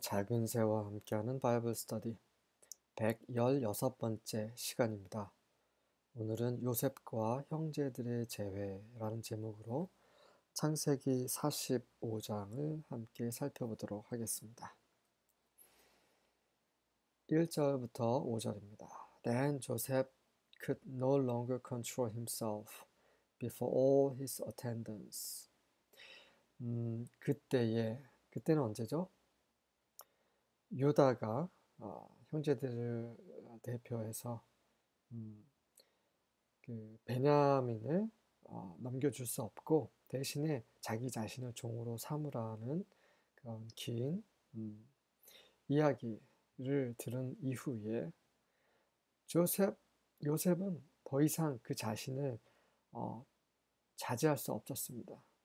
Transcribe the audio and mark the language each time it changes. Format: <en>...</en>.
<ko>작은 새와 함께하는 바이블 스터디 116번째 시간입니다. 오늘은 요셉과 형제들의 재회라는 제목으로 창세기 45장을 함께 살펴보도록 하겠습니다. 1절부터 5절입니다.</ko> <en>Then Joseph could no longer control himself before all his attendants.</en> <ko>그때는 언제죠? 유다가 형제들을 대표해서 베냐민을 넘겨줄 수 없고 대신에 자기 자신을 종으로 삼으라는 그런 긴 이야기를 들은 이후에 요셉은 더 이상 그 자신을 자제할 수 없었습니다.</ko>